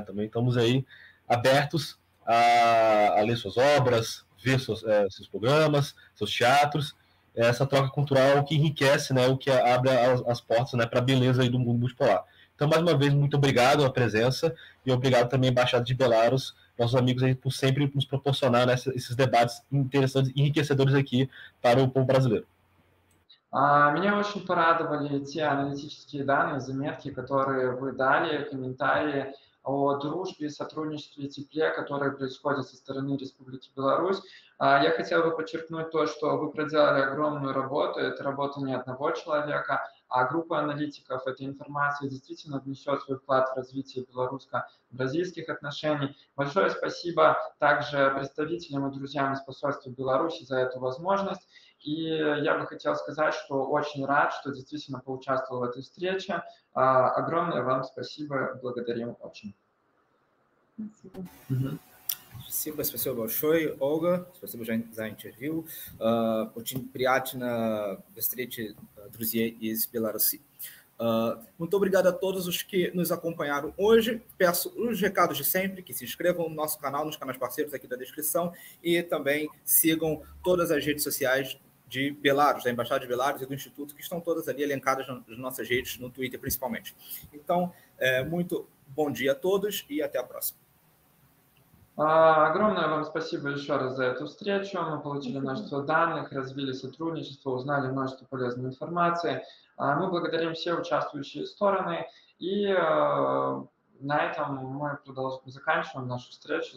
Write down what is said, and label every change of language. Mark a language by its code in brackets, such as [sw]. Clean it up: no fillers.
[pt] Também estamos aí abertos a ler suas obras, ver seus programas, seus teatros, essa troca cultural que enriquece, né? O que abre as portas, né, para a beleza aí do mundo multipolar. Então, mais uma vez, muito obrigado pela presença e obrigado também, Embaixada de Belarus, nossos amigos aí, por sempre nos proporcionar, né, esses debates interessantes e enriquecedores aqui para o povo brasileiro. [ru] Меня очень порадовали те аналитические данные, заметки, которые вы дали, комментарии о дружбе, сотрудничестве и тепле, которое происходит со стороны Республики Беларусь. Я хотел бы подчеркнуть то, что вы проделали огромную работу, это работа не одного человека, а группа аналитиков этой информации действительно внесет свой вклад в развитие белорусско-бразильских отношений. Большое спасибо также представителям и друзьям из посольства Беларуси за эту возможность. И я бы хотел сказать, что очень рад, что действительно поучаствовал в этой встрече. Огромное вам спасибо, благодарим очень. Спасибо. Спасибо большое, Ольга. Спасибо за интервью. Очень приятно встретить друзей из Беларуси. [pt] Muito obrigado a todos os que nos acompanharam hoje. Peço os recados de sempre, que se inscrevam no nosso canal, nos canais parceiros aqui da descrição, e também sigam todas as redes sociais de Belarus, da Embaixada de Belarus e do Instituto, que estão todas ali elencadas nas nossas redes, no Twitter principalmente. Então, muito bom dia a todos e até a próxima. [ru] Огромное вам спасибо еще раз за эту встречу. Мы получили множество данных, развили сотрудничество, узнали множество полезной информации. Мы благодарим все участвующие стороны. И на этом мы заканчиваем нашу встречу.